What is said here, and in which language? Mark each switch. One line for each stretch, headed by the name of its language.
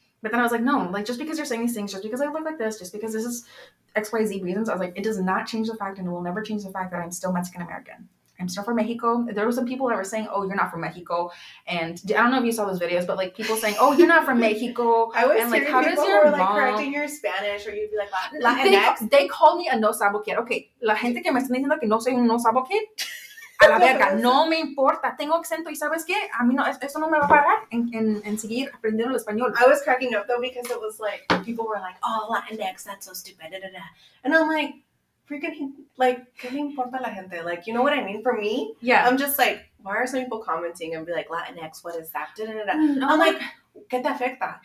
English: But then I was like, no, like just because you're saying these things, just because I look like this, just because this is XYZ reasons, I was like, it does not change the fact and it will never change the fact that I'm still Mexican American. I'm still from Mexico. There were some people that were saying, oh, you're not from Mexico. And I don't know if you saw those videos, but like people saying, oh, you're not from Mexico. I was and, like, hearing how people does your were like mom... correcting your Spanish or you'd be like, Latinx. They called me a no sabo kid. Okay.
Spanish: La gente que me está diciendo que no soy un no sabo kid. A la verga. No me importa. Tengo acento y sabes qué? A mí no, eso no me va a parar en seguir aprendiendo el español.
English: I was cracking up though because it was like, people were like, oh, Latinx, that's so stupid. Da, da, da. And I'm like, freaking, like,
Spanish: ¿qué me importa la gente?
English: Like, you know what I mean? For me, yeah. I'm just like, why are some people commenting and be like, Latinx, what is that? Da, da, da. No, I'm like,
Spanish: ¿qué te afecta?